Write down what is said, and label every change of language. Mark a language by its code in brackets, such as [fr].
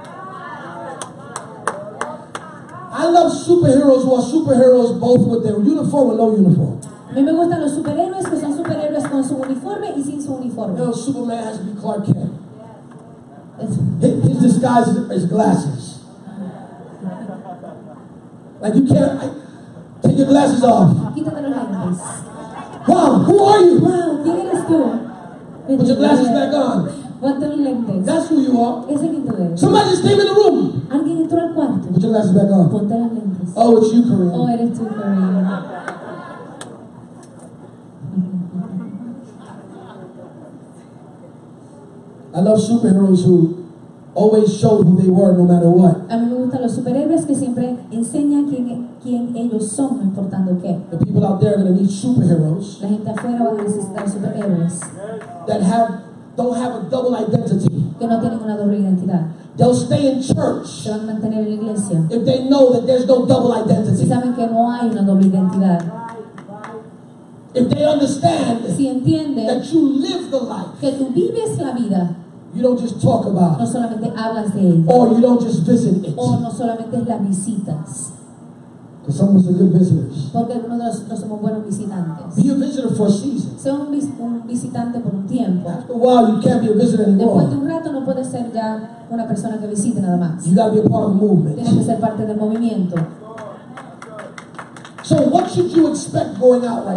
[en] I love superheroes who are superheroes both with their uniform and no uniform. [es] A mí me gustan los superhéroes que son superhéroes con su uniforme y sin su uniforme. [en] You know, Superman has to be Clark Kent. His disguise is glasses. Like you can't take your glasses off. Wow, who are you? [es] Wow, ¿quién eres tú? [en] Put your glasses back on. [es] ¿Cuántos lentes? [en] That's who you are. [es] ¿Ese quién tú eres? [en] Somebody just came in the room. [es] Alguien entró al cuarto. [en] Put your glasses back on. [es] Ponte las lentes. [en] Oh, it's you, Korean. [es] Oh, eres tú, Korean. [en] I love superheroes who always show who they were no matter what. [es] A mí me gustan los superhéroes que siempre enseñan quién ellos son, no importando qué. [en] The people out there are going to need superheroes. [es] La gente afuera va a necesitar superhéroes. [en] That don't have a double identity. [es] Que no tienen una doble identidad. [en] They'll stay in church. [es] Se van a mantener en la iglesia. [en] If they know that there's no double identity. [es] Si saben que no hay una doble identidad. [en] If they understand [es] si entienden [en] that you live the life, [es] que tú vives la vida, [en] you don't just talk about, [es] no solamente hablas de él, [en] or you don't just visit it, [es] o no solamente la visitas. [en] Because some of us are good visitors. [es] Porque algunos de nosotros somos buenos visitantes. [en] Be a visitor for a season. [es] Sea un visitante por un tiempo. [en] After a while, you can't be a visitor anymore. [es] Después de un rato no puedes ser ya una persona que visite nada más. [en] You gotta be a part of the movement. [es] Tienes que ser parte del movimiento. [en] So what should you expect going out right